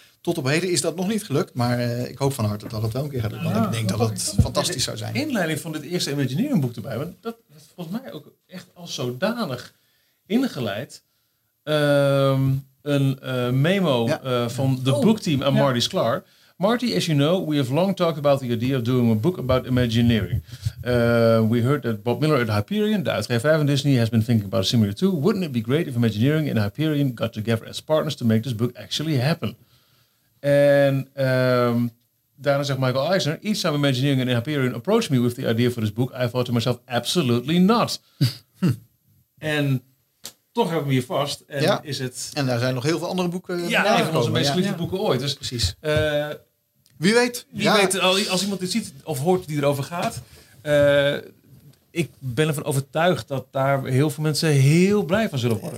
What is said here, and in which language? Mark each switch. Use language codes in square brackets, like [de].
[nl] Tot op heden is dat nog niet gelukt. Maar ik hoop van harte dat het wel een keer gaat lukken. Ja, ik denk dat het fantastisch zou zijn. De inleiding van dit eerste Imagineering boek erbij. Want dat is volgens mij ook echt als zodanig ingeleid. Een memo van de boekteam aan Marty Sklar. [en] Marty, as you know, we have long talked about the idea of doing a book about Imagineering. We heard that Bob Miller at Hyperion, [nl] de uitgever van Disney, [en] has been thinking about a similar too. Wouldn't it be great if Imagineering and Hyperion got together as partners to make this book actually happen? [nl] En daarna zegt Michael Eisner, [en] each time Imagineering and Hyperion approached me with the idea for this book, I thought to myself, absolutely not. [nl] En toch hebben we hier vast. En, ja. Is het... en daar zijn nog heel veel andere boeken. Ja, een van onze meest geliefde boeken ooit. Dus, precies. Wie weet. Wie weet, als iemand dit ziet of hoort die erover gaat. Ik ben ervan overtuigd dat daar heel veel mensen heel blij van zullen worden.